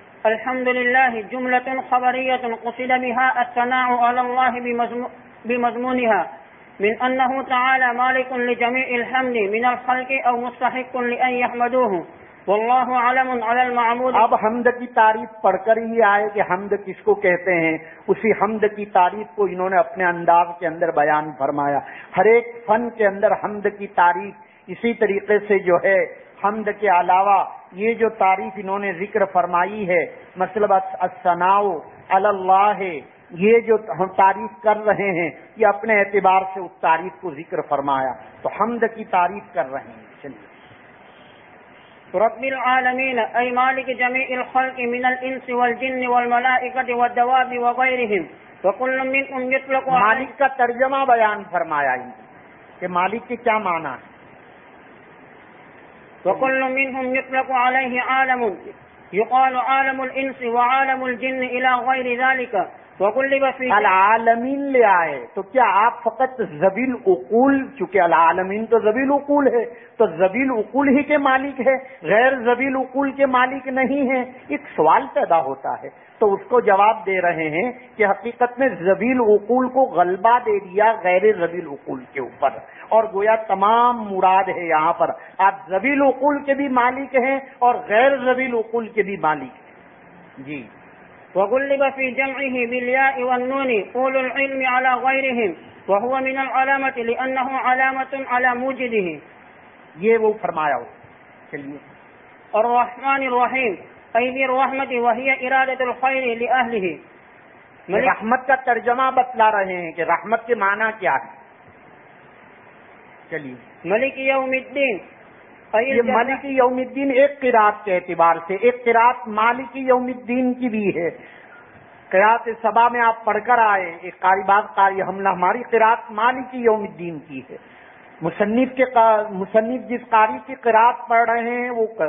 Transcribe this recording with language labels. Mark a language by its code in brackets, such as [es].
[ar] الحمد للہ جملة خبرية قصد بها الثناء على الله بمضمونها من انه تعالى مالك لجميع الحمد من الخلق او مستحق لان يحمدوه والله علم على المعمود. [ur] اب حمد کی تعریف پڑھ کر ہی آئے کہ حمد کس کو کہتے ہیں، اسی حمد کی تعریف کو انہوں نے اپنے انداز کے اندر بیان فرمایا. ہر ایک فن کے اندر حمد کی تعریف اسی طریقے سے جو ہے، حمد کے علاوہ یہ جو تعریف انہوں نے ذکر فرمائی ہے، مطلب [ar] الثناء علی اللہ، [ur] یہ جو ہم تعریف کر رہے ہیں یہ اپنے اعتبار سے اس تعریف کو ذکر فرمایا، تو حمد کی تعریف کر رہے ہیں. چلیے. [ar] رب العالمین ای مالک جمیع الخلق من الانس والجن والملائکۃ والدواب وغیرہم وکل منکم یطلق. [ur] مالک کا ترجمہ بیان فرمایا انہوں نے کہ مالک کے کیا معنی ہے. [ar] وكل منهم يطلق عليه عالم يقال عالم الانس وعالم الجن الى غير ذلك وكل في [ur] العالمين لائے. تو کیا آپ فقط ذوی العقول، چونکہ العالمین تو ذوی العقول ہے، تو ذوی العقول ہی کے مالک ہے، غیر ذوی العقول کے مالک نہیں ہے؟ ایک سوال پیدا ہوتا ہے، تو اس کو جواب دے رہے ہیں کہ حقیقت میں ذوی العقول کو غلبہ دے دیا غیر ذوی العقول کے اوپر، اور گویا تمام مراد ہے یہاں پر، آپ ذوی العقول کے بھی مالک ہیں اور غیر ذوی العقول کے بھی مالک ہیں. جی. [ar] وغلب في جمعه بالياء والنون اول العلم على غيرهم وهو من العلامة لانه علامة على موجده. [ur] یہ وہ فرمایا ہو. چلیے. [ar] الرحمن الرحیم ای ذی الرحمة وهي ارادة الخير لاهله. [ur] رحمت کا ترجمہ بتلا رہے ہیں کہ رحمت کے معنی کیا ہے. چلیے. [ar] ملک یوم الدین، [ur] یہ مالک یوم الدین ایک قرات کے اعتبار سے، ایک قرات مالک یوم الدین کی بھی ہے، قرات سبا میں آپ پڑھ کر آئے، ایک قاری باز قاری حملہ ہماری قرات مالک یوم الدین کی ہے، مصنف جس قاری کی قرات پڑھ رہے ہیں وہ